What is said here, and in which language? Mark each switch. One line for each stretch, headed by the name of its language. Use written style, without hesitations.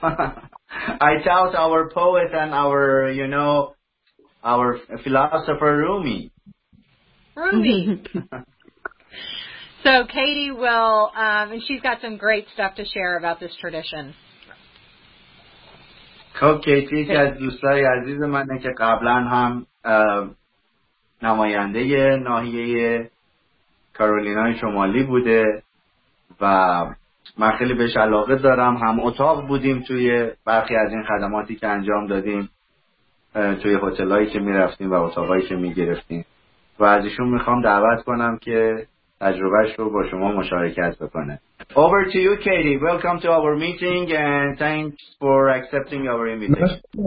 English: I doubt our poet and our, you know, our philosopher Rumi. Rumi. So Katie will, and she's got some great stuff to share about this tradition.
Persian: خب کیتی که از دوستای عزیز منه که قبلا هم نماینده ناحیه کارولینای شمالی بوده و من خیلی بهش علاقه دارم. هم اتاق بودیم توی برخی از این خدماتی که انجام دادیم توی هتلایی که میرفتیم و اتاقایی که میگرفتیم و از ایشون میخوام دعوت کنم که تجربهش رو با شما مشارکت بکنه.
English: Over to you, Katie. Welcome to our meeting and thanks for accepting our invitation.